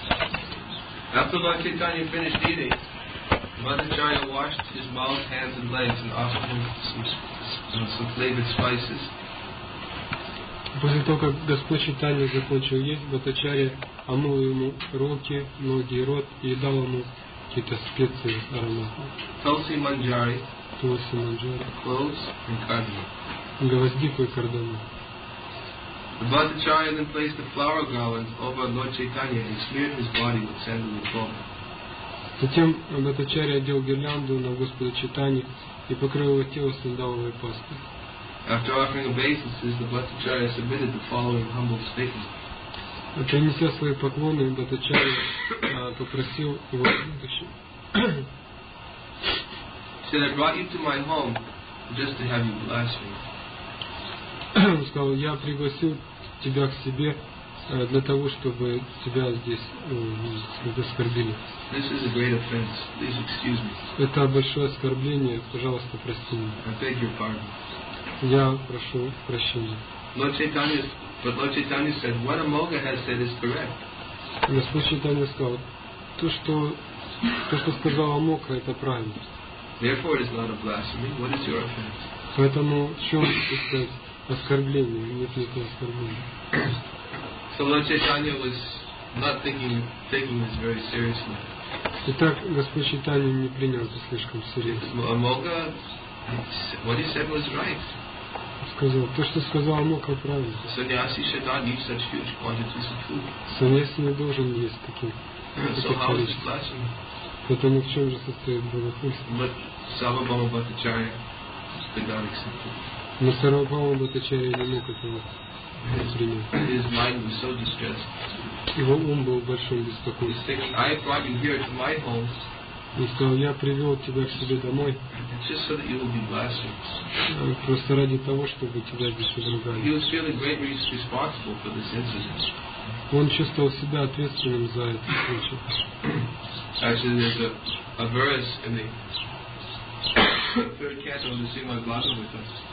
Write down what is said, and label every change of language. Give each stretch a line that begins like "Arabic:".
English: After Lord Chaitanya finished eating, Mother Jaya washed his mouth, hands, and legs, and offered him some flavored spices.
Russian: После того, как Господь Чайтанья закончил есть, Бхаттачарья омыл ему руки, ноги и рот и дал ему какие-то специи, ароматы.
English: Тулси манджари. Cloves and cardamom.
Russian: Гвоздику и кардаму.
English: Bhattacharya then placed the flower garland over Lord Chaitanya and smeared his body with sandalwood cloth.
Russian: Затем Бхаттачарья одел гирлянду на Господа Чайтанья и покрыл его тело сандаловой пастой.
English: After offering obeisances, the Bhattacharya submitted the following humble statement.
Russian: Принеся свои поклоны, Бхаттачарья попросил его следующее.
English: He said, I brought you to my home just to have you blaspheme.
Russian: Он сказал, я пригласил тебя к себе для того, чтобы тебя здесь оскорбили.
English: This is a great offense. Please excuse me.
Russian: Это большое оскорбление. Пожалуйста, прости меня.
English: I beg your pardon.
Russian: Я прошу прощения.
English: Lord Chaitanya said, what Amoga has said is correct.
Russian: Господь Чайтанья сказал, то, что сказал Амока, это правильно.
English: Therefore it is not a blasphemy. What is your offense?
Russian: Поэтому в чем оскорбление? Нет никакого оскорбления.
English: So Lord Chaitanya was not taking this very seriously.
Russian: Итак, Господь Чайтанья не принял это слишком серьезно.
English: Амока, what he said was right.
Russian: Сказал, то, что сказал Амока, правильно.
English: Саньяси should not eat such huge quantities of food.
Russian: Саньяси не должен есть такие.
English: So how is it blasphemy?
Russian: Поэтому в чем же состоит богохульство?
English: But Sarvabhauma Bhattacharya did not accept it.
Russian: Но Сарвабхаума Бхаттачарья не мог этого принять.
English: His mind was so distressed.
Russian: Его ум был в большом беспокойстве.
English: He's thinking, I brought you here to my home.
Russian: Он сказал, я привел тебя к себе домой.
English: Just so that you will be blessed.
Russian: Просто ради того, чтобы тебя здесь возлюбили.
English: He was feeling greatly responsible for this incident.
Russian: Он чувствовал себя ответственным за это случай.
English: Actually, there's a verse in the third canto of the Srimad Bhagavatam.